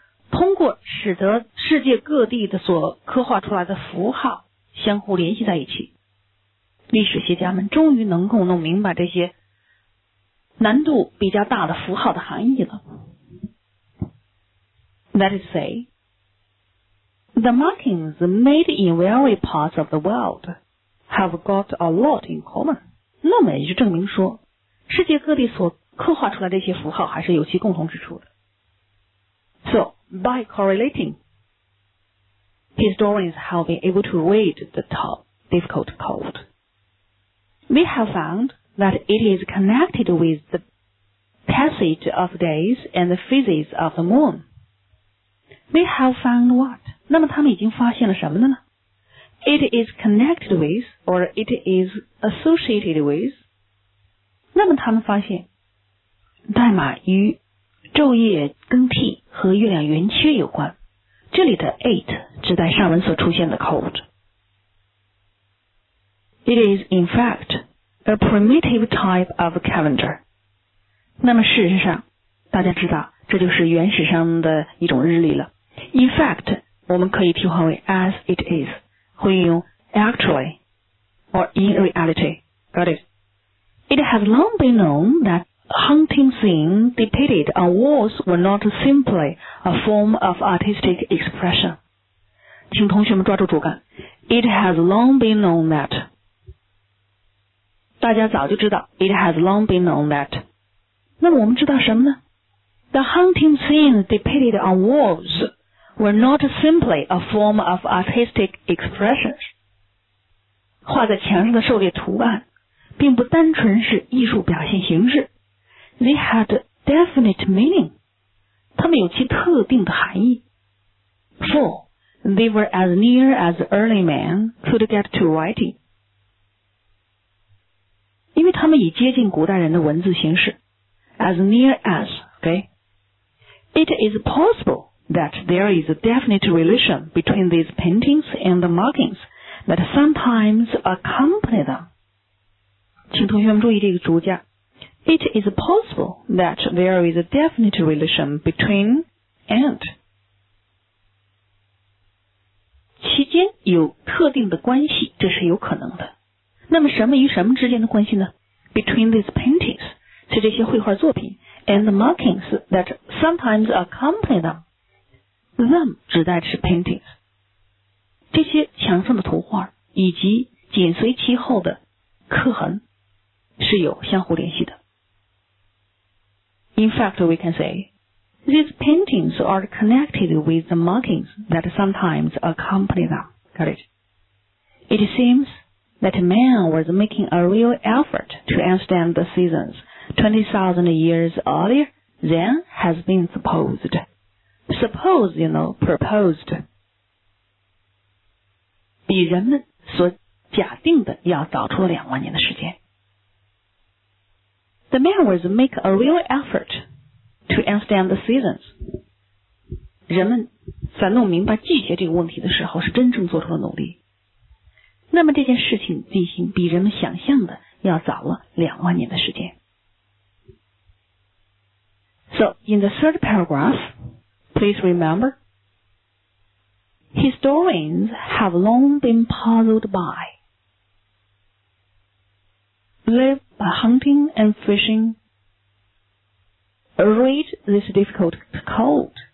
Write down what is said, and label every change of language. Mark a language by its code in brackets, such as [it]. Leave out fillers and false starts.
[zh] 通过使得世界各地的所刻画出来的符号相互联系在一起，历史学家们终于能够弄明白这些难度比较大的符号的含义了。 [en] That is to say, the markings made in various parts of the world have got a lot in common. [zh] 那么也就证明说，世界各地所刻画出来的这些符号还是有其共同之处的。 [en] So,By correlating, historians have been able to read the difficult code. We have found that it is connected with the passage of days and the phases of the moon. We have found what? [zh] 那么他们已经发现了什么了呢? [en] It is connected with, or it is associated with. [zh] 那么他们发现代码与昼夜更替和月亮圆缺有关。这里的 8 指代上文所出现的 code. [en] It is, in fact, a primitive type of calendar. [zh] 那么事实上，大家知道，这就是原始上的一种日历了。 [en] In fact, [zh] 我们可以替换为 [en] as it is, [zh] 会用 [en] actually or in reality. Got it. It has long been known thathunting scene depicted on walls were not simply a form of artistic expression. [zh] 请同学们抓住主干。 [en] It has long been known that. [zh] 大家早就知道。 [en] It has long been known that. [zh] 那么我们知道什么呢? [en] The hunting scene depicted on walls were not simply a form of artistic expression. [zh] 画在墙上的狩猎图案并不单纯是艺术表现形式。 [en] They had definite meaning. [zh] 他们有其特定的含义。 [en] For they were as near as early man could get to writing. [zh] 因为他们以接近古代人的文字形式 [en] as near as, okay? It is possible that there is a definite relation between these paintings and the markings that sometimes accompany them. [zh] 请同学们注意这个足架。 [en] It is possible that there is a definite relation between and. [zh] 期间有特定的关系，这是有可能的。那么什么与什么之间的关系呢？ [en] Between these paintings, [zh] 是这些绘画作品， [en] and the markings that sometimes accompany them. Them [zh] 指代的是 [en] paintings. [zh] 这些墙上的图画以及紧随其后的刻痕是有相互联系的。 [en] In fact, we can say, these paintings are connected with the markings that sometimes accompany them. Got it? It seems that man was making a real effort to understand the seasons 20,000 years earlier than has been supposed. Suppose, you know, proposed. [zh] 比人们所假定的要早出了两万年的时间。 [en] The man was make a real effort to understand the seasons. [zh] 人们在弄明白季节这个问题的时候是真正做出了努力。那么这件事情进行比人们想象的要早了两万年的时间。 [en] So, in the third paragraph, please remember, historians have long been puzzled by live by hunting and fishing, read this difficult code.